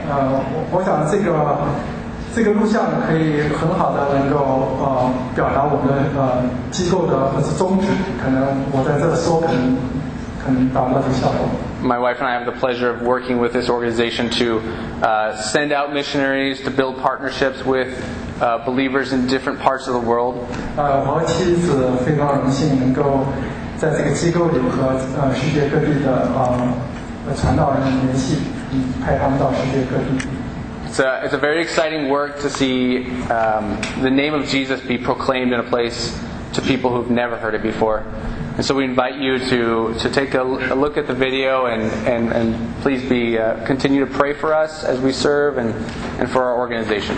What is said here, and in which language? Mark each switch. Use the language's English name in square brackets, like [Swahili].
[English] I think this my wife and I have the pleasure of working with this organization to send out missionaries, to build partnerships with believers in different parts of the world. [Chinese] 我妻子非常荣幸能够在这个机构里和世界各地的传道人联系，派他们到世界各地。 [English] It's a very exciting work to see the name of Jesus be proclaimed in a place to people who've never heard it before. And so we invite you to take a look at the video and please be continue to pray for us as we serve and for our organization.